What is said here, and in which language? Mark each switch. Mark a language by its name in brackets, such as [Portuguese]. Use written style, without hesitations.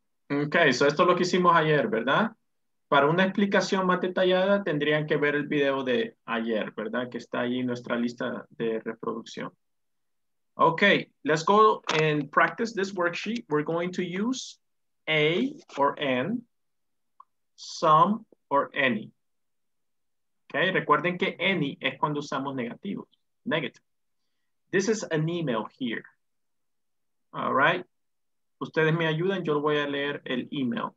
[Spanish] Okay, so esto es lo que hicimos ayer, ¿verdad? Para una explicación más detallada, tendrían que ver el video de ayer, ¿verdad? Que está ahí en nuestra lista de reproducción. [English] Okay, let's go and practice this worksheet. We're going to use a or an, some or any. [Spanish] Okay, recuerden que any es cuando usamos negativos, negative. [English] This is an email here. All right. [Spanish] Ustedes me ayudan, yo voy a leer el email.